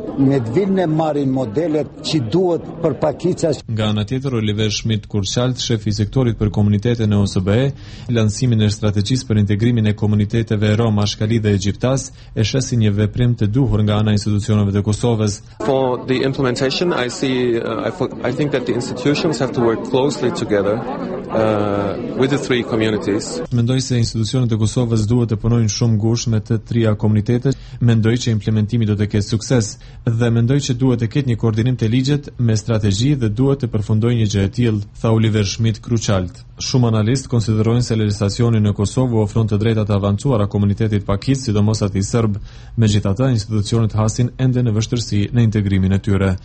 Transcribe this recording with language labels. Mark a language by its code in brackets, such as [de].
[sq] Ne të vinë ne marrin modelet që duhet për pakicat. Nga ana tjetër, Oliver Schmidt Kurçalt, shef i sektorit për komunitetin e OSBE, lansimin e strategjisë për integrimin e komuniteteve Rom, Ashkali dhe Egjiptas e shes si një veprim të duhur nga ana institucioneve të Kosovës. [en] For the implementation, I think that the institutions have to work closely together with the three communities. [sq] Mendoj se institucionet e Kosovës duhet të punojnë shumë ngushtë me të trija komunitetet. Mendoj që implementimi do të ketë sukses. Dhe mendoj që duhet të ketë një koordinim të ligjet me strategji dhe duhet të përfundojë një gjë e tillë, tha Oliver Schmidt Kruçalt. Shumë analistë konsiderojnë se legislacioni në Kosovë ofron të drejta të avancuara komunitetit pakic, sidomos atij serb, megjithatë institucionet hasin ende në vështirësi në integrimin e tyre.